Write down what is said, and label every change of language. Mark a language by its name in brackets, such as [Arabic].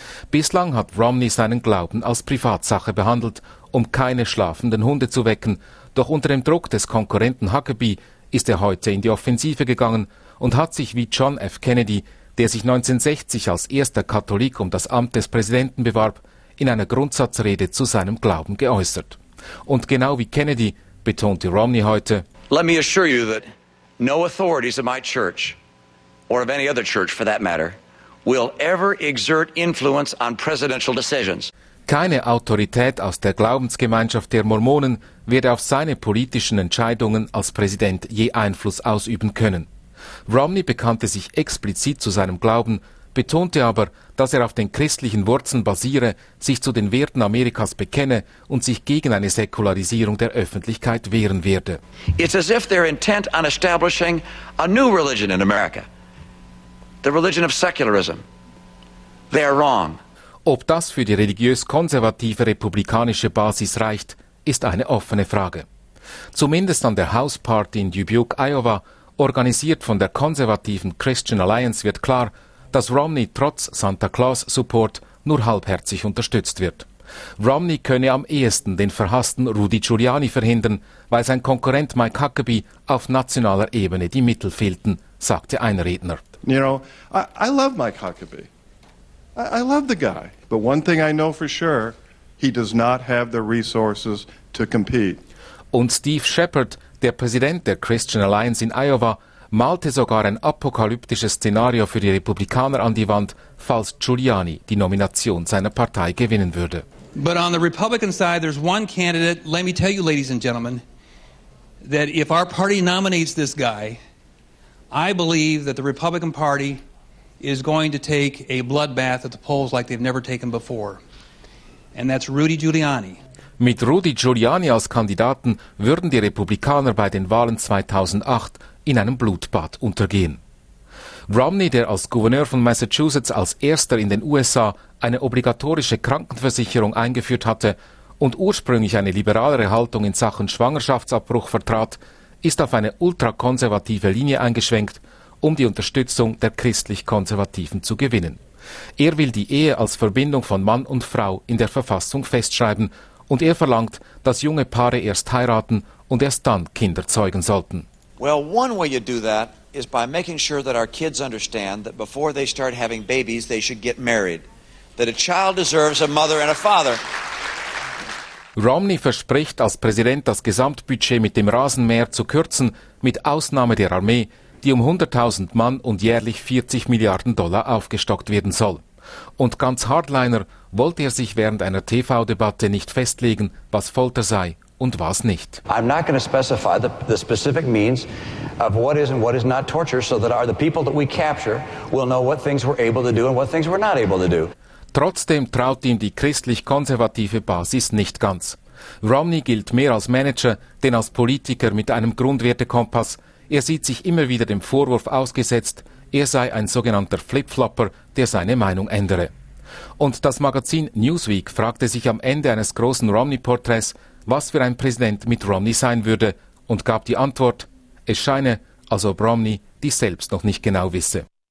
[German] Bislang hat Romney seinen Glauben als Privatsache behandelt, um keine schlafenden Hunde zu wecken, doch unter dem Druck des Konkurrenten Huckabee ist er heute in die Offensive gegangen und hat sich wie John F. Kennedy, der sich 1960 als erster Katholik um das Amt des Präsidenten bewarb, in einer Grundsatzrede zu seinem Glauben geäußert. Und genau wie Kennedy betonte Romney heute: [English] Let me assure you that no authorities of my church or of any other church for that matter will ever exert influence on presidential decisions. [German] Keine Autorität aus der Glaubensgemeinschaft der Mormonen werde auf seine politischen Entscheidungen als Präsident je Einfluss ausüben können. Romney bekannte sich explizit zu seinem Glauben, betonte aber, dass er auf den christlichen Wurzeln basiere, sich zu den Werten Amerikas bekenne und sich gegen eine Säkularisierung der Öffentlichkeit wehren werde. [English] It's as if they're intent on establishing a new religion in America. The religion of secularism. They're wrong. [German] Ob das für die religiös-konservative republikanische Basis reicht, ist eine offene Frage. Zumindest an der House Party in Dubuque, Iowa, organisiert von der konservativen Christian Alliance, wird klar, dass Romney trotz Santa Claus-Support nur halbherzig unterstützt wird. Romney könne am ehesten den verhassten Rudy Giuliani verhindern, weil sein Konkurrent Mike Huckabee auf nationaler Ebene die Mittel fehlten, sagte ein Redner. [English] You know, I love Mike Huckabee. I love the guy. But one thing I know for sure, he does not have the resources to compete. [German] Und Steve Shepard, der Präsident der Christian Alliance in Iowa, malte sogar ein apokalyptisches Szenario für die Republikaner an die Wand, falls Giuliani die Nomination seiner Partei gewinnen würde. [English] But on the Republican side, there's one candidate, let me tell you, ladies and gentlemen, that if our party nominates this guy, I believe that the Republican Party is going to take a bloodbath at the polls like they've never taken before. And that's Rudy Giuliani. [German] Mit Rudy Giuliani als Kandidaten würden die Republikaner bei den Wahlen 2008 in einem Blutbad untergehen. Romney, der als Gouverneur von Massachusetts als erster in den USA eine obligatorische Krankenversicherung eingeführt hatte und ursprünglich eine liberalere Haltung in Sachen Schwangerschaftsabbruch vertrat, ist auf eine ultrakonservative Linie eingeschwenkt, um die Unterstützung der christlich-konservativen zu gewinnen. Er will die Ehe als Verbindung von Mann und Frau in der Verfassung festschreiben und er verlangt, dass junge Paare erst heiraten und erst dann Kinder zeugen sollten. [English] Well, one way you do that is by making sure that our kids understand that before they start having babies, they should get married. That a child deserves a mother and a father. [German] Romney verspricht als Präsident, das Gesamtbudget mit dem Rasenmäher zu kürzen, mit Ausnahme der Armee, die um 100.000 Mann und jährlich 40 Milliarden Dollar aufgestockt werden soll. Und ganz Hardliner wollte er sich während einer TV-Debatte nicht festlegen, was Folter sei und was nicht. [English] I'm not going to specify the specific means of what is and what is not torture, so that the people that we capture will know what things we're able to do and what things we're not able to do. [German] Trotzdem traut ihm die christlich-konservative Basis nicht ganz. Romney gilt mehr als Manager, denn als Politiker mit einem Grundwertekompass. Er sieht sich immer wieder dem Vorwurf ausgesetzt, er sei ein sogenannter Flip-Flopper, der seine Meinung ändere. Und das Magazin Newsweek fragte sich am Ende eines großen Romney-Porträts, was für ein Präsident mit Romney sein würde, und gab die Antwort, es scheine, als ob Romney dies selbst noch nicht genau wisse.